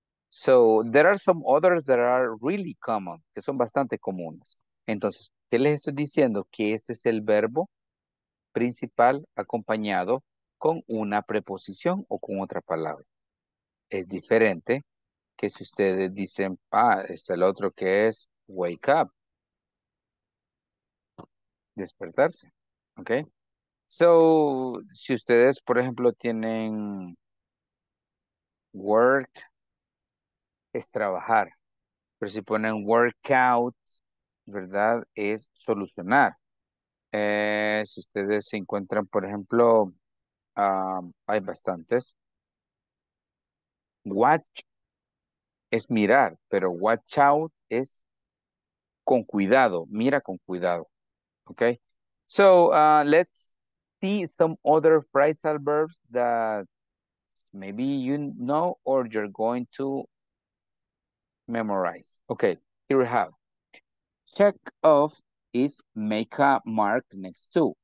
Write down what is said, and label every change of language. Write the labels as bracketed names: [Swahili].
[English] So, there are some others that are really common, [Spanish] que son bastante comunes. Entonces, ¿qué les estoy diciendo? Que este es el verbo principal acompañado con una preposición o con otra palabra. Es diferente que si ustedes dicen, es el otro que es wake up. Despertarse, ¿ok? So, si ustedes, por ejemplo, tienen work, es trabajar. Pero si ponen workout, ¿verdad? Es solucionar. Si ustedes se encuentran, por ejemplo, hay bastantes. Watch es mirar, pero watch out es con cuidado, mira con cuidado. [English] Okay, so let's see some other phrasal verbs that maybe you know or you're going to memorize. Okay, here we have. Check off is make a mark next to.